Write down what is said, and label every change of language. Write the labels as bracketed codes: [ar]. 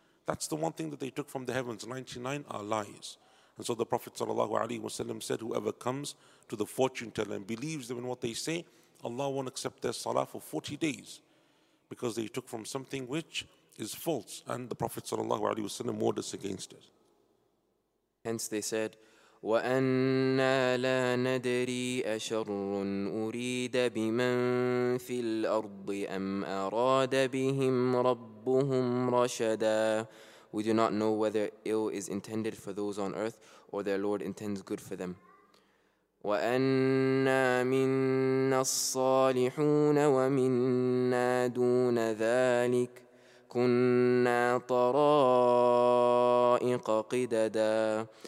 [en] That's the one thing that they took from the heavens, 99 are lies. And so the Prophet ﷺ said, whoever comes to the fortune teller and believes them in what they say, Allah won't accept their salah for 40 days because they took from something which is false. And the Prophet ﷺ warned us against it. Hence they said, [ar] وَأَنَّا لَا نَدْرِي أَشَرٌ أُرِيدَ بِمَنْ فِي الْأَرْضِ أَمْ أَرَادَ بِهِمْ رَبُّهُمْ رَشَدًا. [en] We do not know whether ill is intended for those on earth or their Lord intends good for them. [ar] وَأَنَّا مِنَّا الصَّالِحُونَ وَمِنَّا دُونَ ذَلِكَ كُنَّا طَرَائِقَ قِدَدًا.